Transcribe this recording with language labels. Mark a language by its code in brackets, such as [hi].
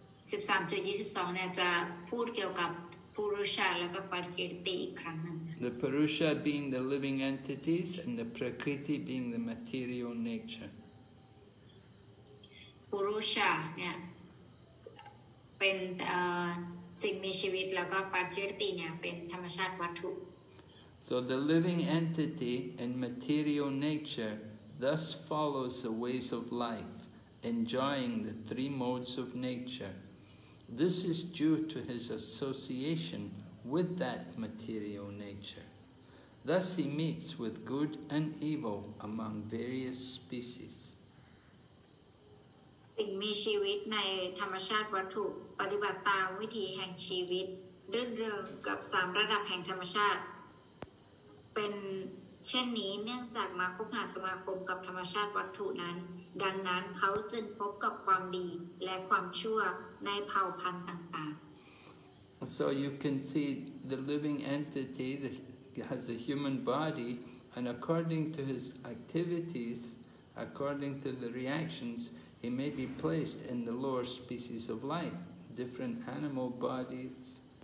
[th] 13.22 เนี่ยจะพูดเกี่ยวกับปุรุชะแล้วก็ปรคีติอีกครั้งนึง [en] The Purusha being the living entities and the Prakriti being the material nature [th] Purusha เนี่ยเป็นสิ่งมีชีวิตแล้วก็ปรคีติเนี่ยเป็นธรรมชาติวัตถุ [en] So the living entity and material nature thus follows the ways of life enjoying the three modes of nature. This is due to his association with that material nature. Thus he meets with good and evil among various species. [th] สิ่งมีชีวิตในธรรมชาติวัตถุปฏิบัติตามวิธีแห่งชีวิตเรื่องกับ3ระดับแห่งธรรมชาติเป็นเช่นนี้เนื่องจากมาคบหาสมาคมกับธรรมชาติวัตถุนั้นดังนั้นเขาจึงพบกับความดีและความชั่วในเผ่าพันธุ์ต่าง [en] ๆ So you can see the living entity that has a human body and according to his activities, according to the reactions, he may be placed in the lower species of life, different animal bodies.